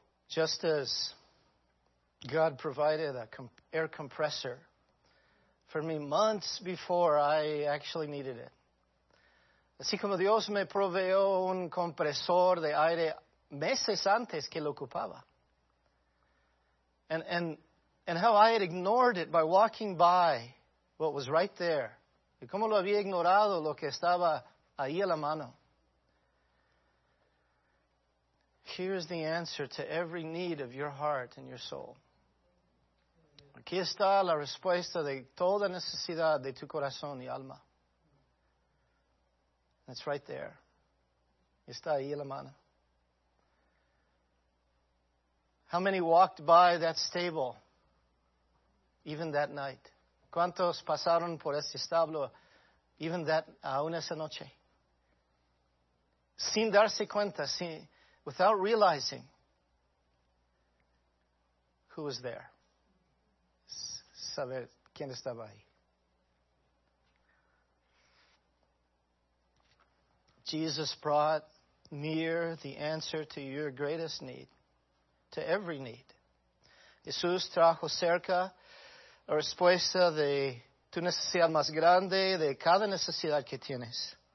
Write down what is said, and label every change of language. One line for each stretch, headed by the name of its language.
English: Just as God provided an air compressor for me months before I actually needed it.
Spanish: Así como Dios me proveyó un compresor de aire meses antes que lo ocupaba.
English: And how I had ignored it by walking by what was right there.
Spanish: Y cómo lo había ignorado lo que estaba ahí a la mano.
English: Here is the answer to every need of your heart and your soul.
Spanish: Aquí está la respuesta de toda necesidad de tu corazón y alma.
English: It's right there.
Spanish: Está ahí en la mano.
English: How many walked by that stable even that night?
Spanish: ¿Cuántos pasaron por ese establo
English: even that
Spanish: aún esa noche? Sin darse cuenta,
English: without realizing who was there.
Spanish: Saber quién estaba ahí.
English: Jesus brought near the answer to your greatest need, to every need.
Spanish: Jesús trajo cerca la respuesta de tu necesidad más grande, de cada necesidad que tienes.